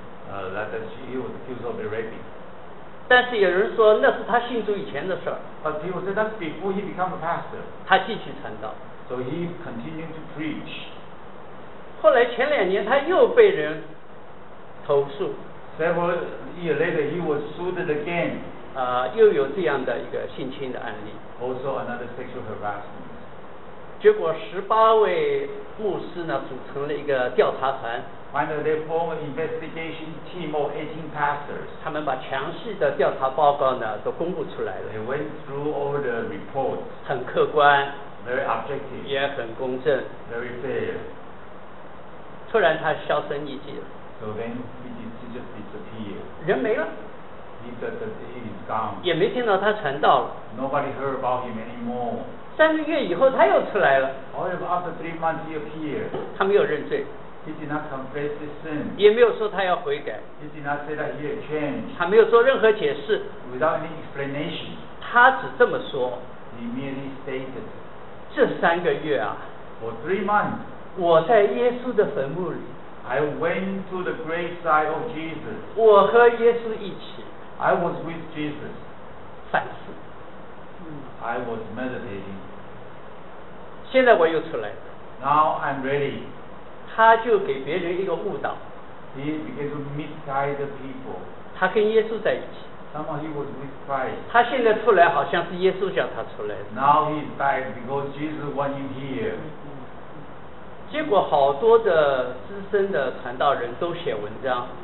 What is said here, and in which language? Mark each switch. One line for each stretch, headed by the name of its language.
English: That he was accused of raping.
Chinese: 但是有人说那是他信主以前的事儿。
English: But people said that before he became a pastor.
Chinese: 他继续传道。
English: So he continued to preach.
Chinese: 后来前两年他又被人投诉。
English: Several years later he was sued again.
Chinese: 又有这样的一个性侵的案例。
English: Also another sexual harassment.
Chinese: 结果18位牧师呢组成了一个调查团。
English: Finally, they formed an investigation team of 18 pastors.
Chinese: 他们把详细的调查报告呢都公布出来了。
English: They went through all the reports.
Chinese: 很客观。
English: Very objective.
Chinese: 也很公正。
English: Very fair.
Chinese: 突然他销声匿迹了。
English: So then he just disappeared.
Chinese: 人没了。
English: He's gone.
Chinese: 也没听到他传道了。
English: Nobody heard about him anymore.
Chinese: 3个月以后他又出来了。
English: However, after 3 months he appeared.
Chinese: 他没有认罪。
English: He did not confess his sin.
Chinese: 也没有说他要悔改。
English: He did not say that he had changed.
Chinese: 他没有做任何解释。
English: Without any explanation.
Chinese: 他只这么说。
English: He merely stated.
Chinese: 这3个月啊。
English: For 3 months.
Chinese: 我在耶稣的坟墓里。
English: I went to the graveside of Jesus.
Chinese: 我和耶稣一起。
English: I was with Jesus.
Chinese: 反思。
English: I was meditating.
Chinese: 现在我又出来。
English: Now I'm ready.
Chinese: 他就给别人一个误导。
English: He began to misguide people.
Chinese: 他跟耶稣在一起。
English: Somehow he was with Christ.
Chinese: 他现在出来好像是耶稣叫他出来的。
English: Now he is back because Jesus wants him here.
Chinese: 结果好多的资深的传道人都写文章。